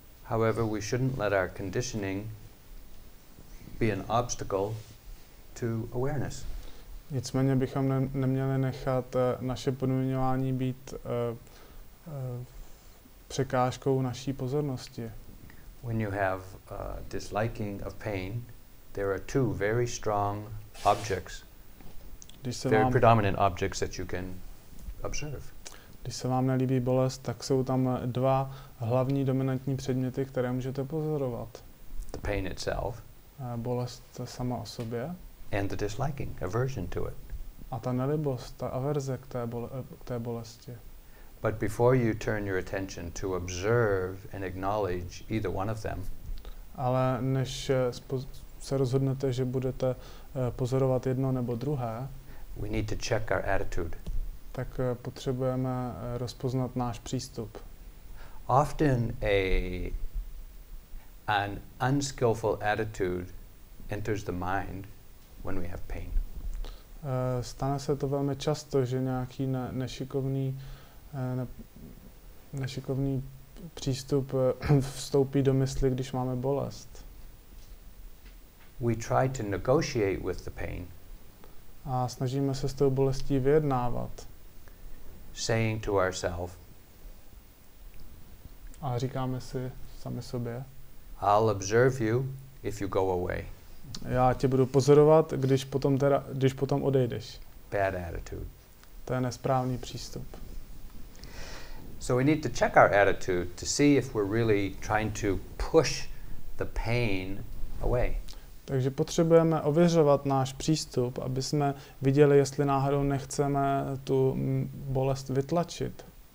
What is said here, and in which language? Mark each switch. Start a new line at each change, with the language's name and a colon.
English: However, we shouldn't let our conditioning be an obstacle to awareness.
Czech: Nicméně bychom neměli nechat naše podmiňování být překážkou naší pozornosti.
English: When you have disliking of pain, there are two very strong objects, very predominant objects that you can observe.
Czech: Když se vám nelíbí bolest, tak jsou tam dva hlavní dominantní předměty, které můžete pozorovat.
English: The pain itself.
Czech: Bolest sama o sobě.
English: And the disliking, aversion to it.
Czech: A ta nelibost, ta averze k té, k té bolesti.
English: But before you turn your attention to observe and acknowledge either one of them.
Czech: Ale než se rozhodnete, že budete pozorovat jedno nebo druhé.
English: We need to check our attitude.
Czech: Tak potřebujeme rozpoznat náš přístup.
English: Often an unskillful attitude enters the mind when we have pain.
Czech: Stane se to velmi často, že nějaký nešikovný nešikovný přístup vstoupí do mysli, když máme bolest.
English: We try to negotiate with the pain.
Czech: A snažíme se s tou bolestí vyjednávat.
English: Saying to ourselves.
Czech: A říkáme si sami sobě.
English: I'll observe you if you go away.
Czech: Já tě budu pozorovat, když potom teda, když potom odejdeš.
English: Bad attitude.
Czech: To je nesprávný přístup.
English: So we need to check our attitude to see if we're really trying to push the pain away.
Czech: Takže potřebujeme ověřovat náš přístup, aby jsme viděli, jestli náhodou nechceme tu bolest vytlačit.